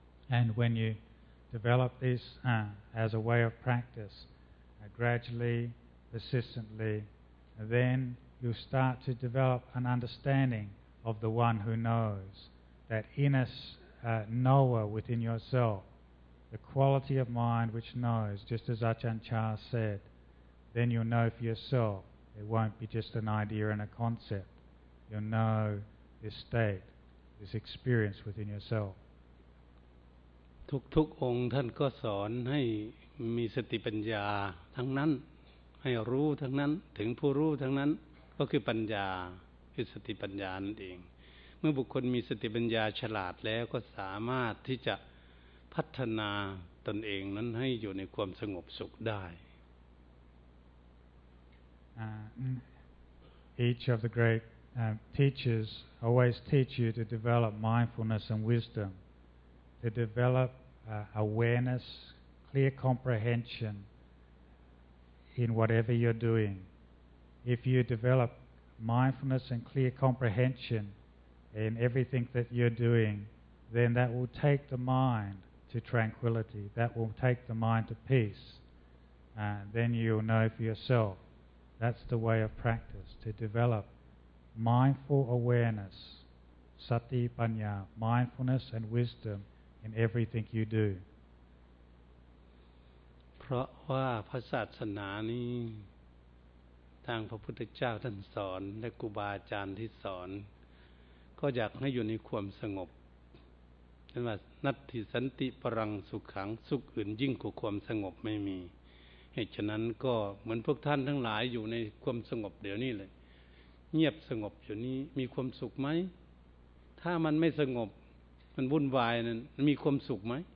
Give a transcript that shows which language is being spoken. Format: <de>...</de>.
<en>And when you develop this as a way of practice, gradually, persistently, then you start to develop an understanding of the one who knows, that inner knower within yourself, the quality of mind which knows, just as Ajahn Chah said, then you'll know for yourself. It won't be just an idea and a concept. You'll know this state, this experience within yourself.</en> <th>ทุกๆองค์ท่านก็สอนให้มีสติปัญญาทั้งนั้นให้รู้ทั้งนั้นถึงผู้รู้ทั้งนั้นก็คือปัญญาคือสติปัญญานั่นเองเมื่อบุคคลมีสติปัญญาฉลาดแล้วก็สามารถที่จะพัฒนาตนเองนั้นให้อยู่ในความสงบสุขได้</th> <en>Each of the great teachers always teach you to develop mindfulness and wisdom, to develop awareness, clear comprehension in whatever you're doing. If you develop mindfulness and clear comprehension in everything that you're doing, then that will take the mind to tranquility, that will take the mind to peace. Then you'll know for yourself. That's the way of practice, to develop mindful awareness, sati panya, mindfulness and wisdom in everything you do.</en> <th>เพราะว่าพระศาสนานี้ทางพระพุทธเจ้าท่านสอนและครูบาอาจารย์ที่สอนก็อยากให้อยู่ในความสงบนั่นว่านัตถิสันติปรังสุขขังสุขอื่นยิ่งกว่าความสงบไม่มีเหตุฉะนั้นก็เหมือนพวกท่านทั้งหลายอยู่ในความสงบเดี๋ยวนี้เลยเงียบสงบอยู่นี้มีความสุขไหมถ้ามันไม่สงบมันวุ่นวายนั้นมีความสุขไหม</th>